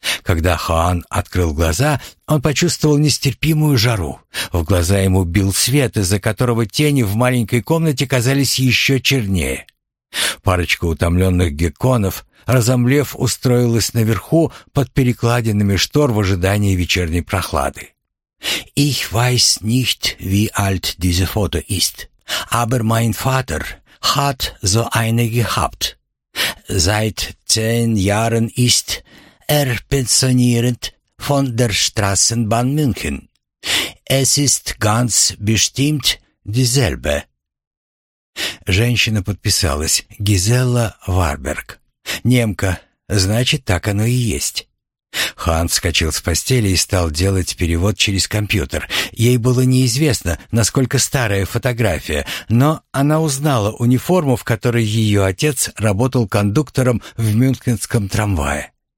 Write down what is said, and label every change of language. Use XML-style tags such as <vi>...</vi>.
<ru>Когда Хуан открыл глаза, он почувствовал нестерпимую жару. В глаза ему бил свет, из-за которого тени в маленькой комнате казались еще чернее. Парочка утомленных гекконов, разомлев, устроилась наверху под перекладинами штор в ожидании вечерней прохлады.</ru> <de>«Ich weiß nicht, wie alt diese Foto ist, aber mein Vater hat so eine gehabt. Seit 10 Jahren ist er pensioniert von der Straßenbahn München. Es ist ganz bestimmt dieselbe.»</de> <ru>Женщина подписалась: «Гизелла Варберг. Немка, значит, так оно и есть». Хан вскочил с постели и стал делать перевод через компьютер. Ей было неизвестно, насколько старая фотография, но она узнала униформу, в которой ее отец работал кондуктором в мюнхенском трамвае.</ru>